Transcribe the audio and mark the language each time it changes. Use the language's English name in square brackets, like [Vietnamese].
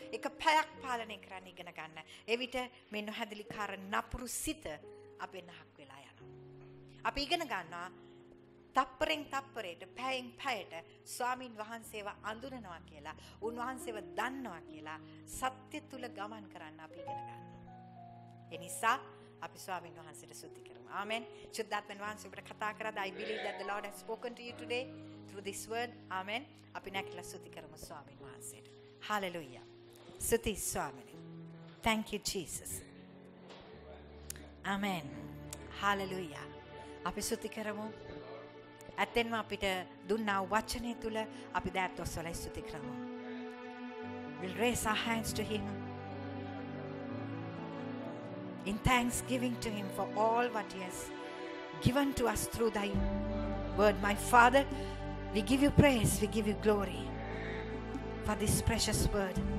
[Sinhala] එක පැයක් පාලනය කරන්න ඉගෙන ගන්න. එවිට මේ නොහැදිලිකාර නපුරු සිත අපේ නහක් වෙලා යනවා. අපි ඉගෙන ගන්නවා තප්පරෙන් තප්පරයට, පැයෙන් පැයට ස්වාමින් වහන්සේව අඳුනනවා කියලා, උන්වහන්සේව දන්නවා කියලා සත්‍ය තුල ගමන් කරන්න අපි ඉගෙන ගන්නවා. එනිසා අපි ස්වාමීන් වහන්සේට ස්තුති කරමු. ආමෙන්. සුද්ධාත්මෙන් වහන්සේ ඔබට කතා කරද, [English] I believe that the Lord has spoken to you today through this word. [Sinhala] ආමෙන්. අපි නැකලා ස්තුති කරමු ස්වාමීන් වහන්සේට. Hallelujah. ස්තුති ස්වාමීනි. [English] Thank you Jesus. [Sinhala] Amen. Hallelujah. අපි ස්තුති කරමු. ඇත්තෙන්ම අපිට දුන්නා වචනය තුල අපි දෑත් ඔස්සලා ස්තුති කරමු. [English] We'll raise our hands to him in thanksgiving to him for all what he has given to us through thy word. My Father, we give you praise, we give you glory for this precious word.